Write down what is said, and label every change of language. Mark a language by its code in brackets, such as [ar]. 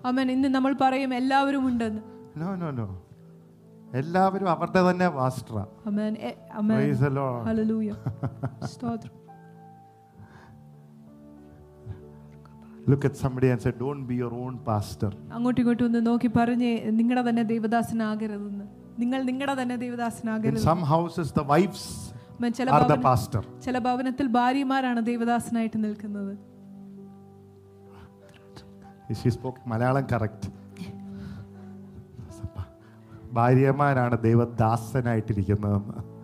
[ml] Amen. Innu nammal parayum ellavarum undu. [en] No, no, no. [ml] എല്ലാവരും അവരുടെ തന്നെ വാസ്ത്ര. [en] Amen. Amen. Praise the Lord. Hallelujah. Stotra. Look at somebody and say, don't be your own pastor. [ml] അങ്ങോട്ട് ഇങ്ങോട്ട് നോക്കി പറഞ്ഞു നിങ്ങളെ തന്നെ ദൈവദാസനാകരുതെന്ന്. നിങ്ങൾ നിങ്ങളെ തന്നെ ദൈവദാസനാകരുത്. [en] In some houses the wives are the pastor. [ml] ചില ഭവനത്തിൽ ഭാര്യമാരാണ് ദൈവദാസനായിട്ട് നിൽക്കുന്നത്. [en] She spoke Malayalam correct. [ml] ഭാര്യമാരാണ് ദൈവദാസനായിട്ടിരിക്കുന്നതെന്ന്.